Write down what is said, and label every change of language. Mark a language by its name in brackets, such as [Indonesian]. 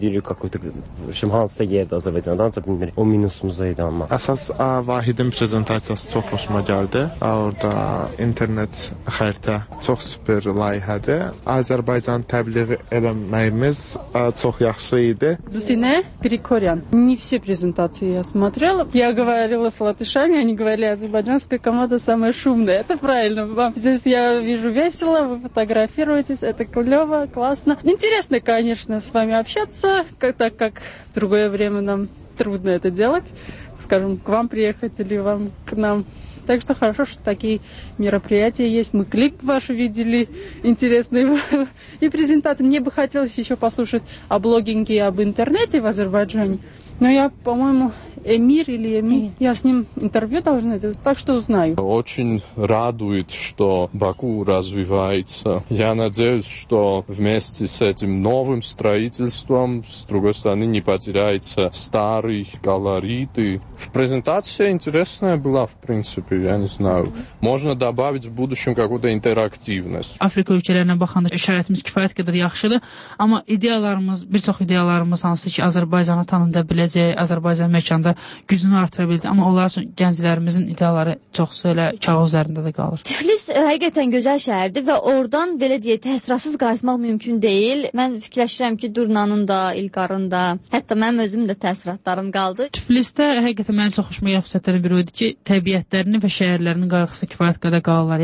[Azerbaijani] Deyirik, kakotik, şimdi hansısa yerdir Azərbaycanda, ancaq bilmirik. O minusumuza idi amma. Əsas Vahidin prezentasiyası çox hoşuma gəldi. Orada internet xəritə çox süper layihədir. Azərbaycan təbliği eləməyimiz çox yaxşı idi. Lusinə Prikoryan. [Russian] Не все презентации я смотрела. Я говорила с латышами, они говорили, азербайджанская команда самая шумная. Это правильно. Вам здесь я вижу весело, вы фотографируетесь, это клёво, классно. Интересно, конечно, с вами общаться. Так как в другое время нам трудно это делать, скажем, к вам приехать или вам к нам. Так что хорошо, что такие мероприятия есть. Мы клип ваш видели интересный и презентации. Мне бы хотелось еще послушать о блогинге и об интернете в Азербайджане. Но я, по-моему, Эмир или Эми, я с ним интервью должна делать, так что узнаю. Очень радует, что Баку развивается. Я надеюсь, что вместе с этим новым строительством, с другой стороны, не потеряется старый колорит. В презентации интересная была, в принципе, я не знаю. Можно добавить в будущем какую-то интерактивность. [Azerbaijani] Африка ülkelerine bakanda işaretimiz kifayet kadar yaxşıdır. Ama ideyalarımız, birçok ideyalarımız hansı ki Azerbaycan'ı tanında biləcək, Azerbaycan mekanda gücünü artıra biləcək. Ama onlar üçün gənclərimizin ideyaları çoxsa elə kağız üzərində də qalır. Tiflis həqiqətən gözəl şəhərdir və oradan belə deyək, təsirsiz qayıtmaq mümkün deyil. Mən fikirləşirəm ki, Durnanın da, İlqarın da, hətta mənim özüm də təsiratlarım qaldı. Tiflisdə həqiqətən mənim çox xoşuma gələn xüsusiyyətlərin biri idi ki, təbiətlərinin və şəhərlərinin qayğısı kifayət qədər qalırlar.